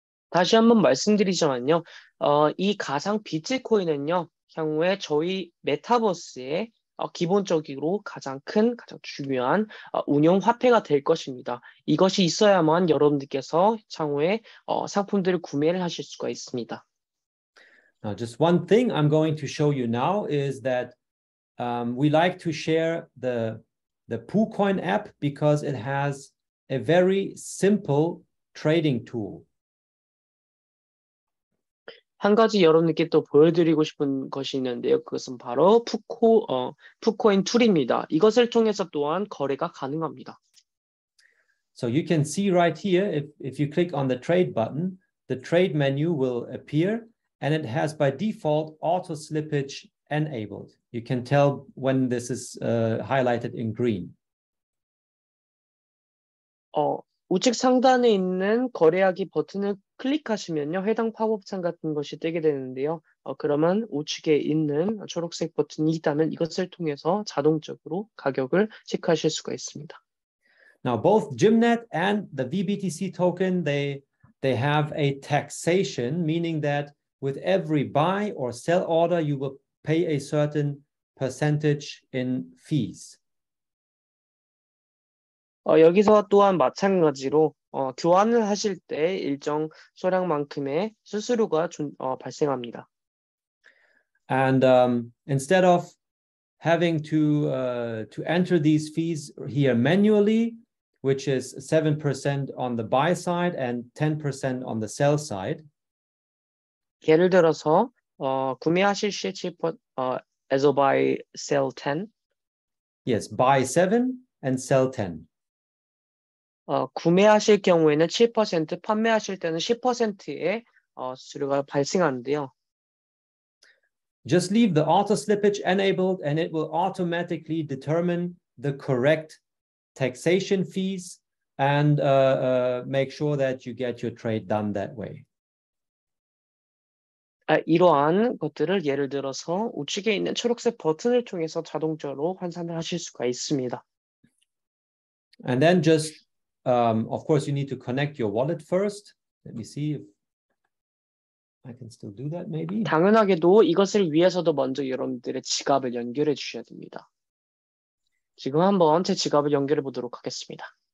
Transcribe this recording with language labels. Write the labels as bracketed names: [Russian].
[Korean] 다시 한번 말씀드리자면요, 이 가상 비트코인은요, 향후에 저희 메타버스의 기본적으로 가장 큰, 가장 중요한 운영 화폐가 될 것입니다. 이것이 있어야만 여러분들께서 향후에 상품들을 구매를 하실 수가 있습니다. [English] Now, just one thing I'm going to show you now is that we like to share the Poolcoin app because it has a very simple trading tool. [Korean] 한 가지 여러분께 또 보여드리고 싶은 것이 있는데요. 그것은 바로 푸코인 툴입니다. 이것을 통해서 또한 거래가 가능합니다. [English] So you can see right here, if you click on the trade button, the trade menu will appear and it has by default auto slippage enabled. You can tell when this is highlighted in green. [Korean] 우측 상단에 있는 거래하기 버튼을 클릭하시면요, 해당 팝업창 같은 것이 뜨게 되는데요. 그러면 우측에 있는 초록색 버튼이 있다면 이것을 통해서 자동적으로 가격을 체크하실 수가 있습니다. [English] Now both Gymnet and the VBTC token, they have a taxation, meaning that with every buy or sell order, you will pay a certain percentage in fees. [Korean] 여기서 또한 마찬가지로 교환을 하실 때 일정 소량만큼의 수수료가 발생합니다. [English] And instead of having to enter these fees here manually, which is 7% on the buy side and 10% on the sell side. [Korean] 예를 들어서 구매하실 시 [English] as a buy sell 10. Yes, buy 7 and sell 10. [Korean] 구매하실 경우에는 7%, 판매하실 때는 10%의 수수료가 발생하는데요. [English] Just leave the auto slippage enabled and it will automatically determine the correct taxation fees and make sure that you get your trade done that way. [Korean] 이러한 것들을 예를 들어서 우측에 있는 초록색 버튼을 통해서 자동적으로 환산을 하실 수가 있습니다. [English] And then just of course you need to connect your wallet first. Let me see if I can still do that maybe. [Korean] 당연하게도 이것을 위해서도 먼저 여러분들의 지갑을 연결해 주셔야 됩니다. 지금 한번 제 지갑을 연결해 보도록 하겠습니다.